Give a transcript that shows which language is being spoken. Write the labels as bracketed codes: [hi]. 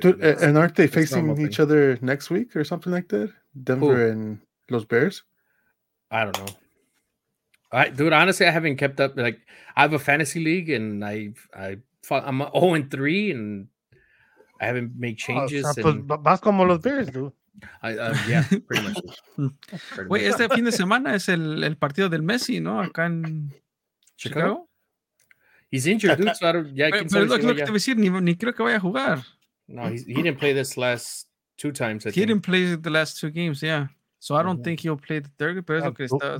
[en] Dude, and aren't they facing each other next week or something like that? Denver Who? And Los Bears? I don't know. Dude, honestly, I haven't kept up. Like, I have a fantasy league, and I'm 0-3, and I haven't made changes. [es] Vas como los Bears, dude. [en] Yeah, pretty much. Pretty Wait, much. [es] Este fin de semana es el partido del Messi, ¿no? Acá en Chicago. [en] He's injured, dude. So I don't, yeah, [es] pero lo que te voy a decir, ni creo que vaya a jugar. [en] No, he didn't play this last two times, I think. Didn't play the last two games, yeah. So I don't think he'll play the third, [es] pero es lo que estamos